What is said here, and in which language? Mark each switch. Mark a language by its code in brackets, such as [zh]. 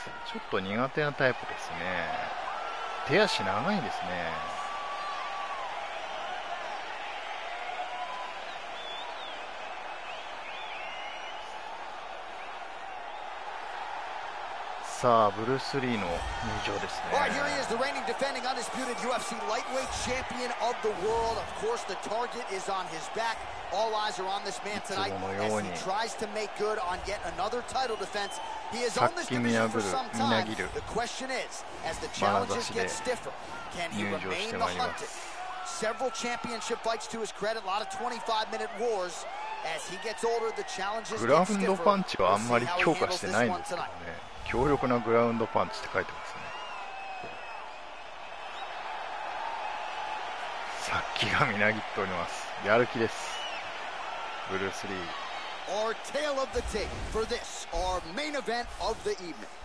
[ja] ちょっと苦手なタイプですね。手足長いですね。さあブルースリーの入場ですね。 [en] Alright, here he is, the reigning defending undisputed UFC lightweight champion of the world. Of course, the target is on his back. All eyes are on this man tonight as he tries to make good on yet another title defense. He is on this division for some time. The question is, as the challenges get stiffer, can he remain the hunted? Several championship fights to his credit, a lot of 25 minute wars. As he gets older, the challenges get stiffer. [ja] グラウンドパンチはあんまり強化してないんですけどね。強力なグラウンドパンチって書いてますね。殺気がみなぎっております。やる気です。ブルースリー。 [en] our tale of the tape for this, our main event of the evening.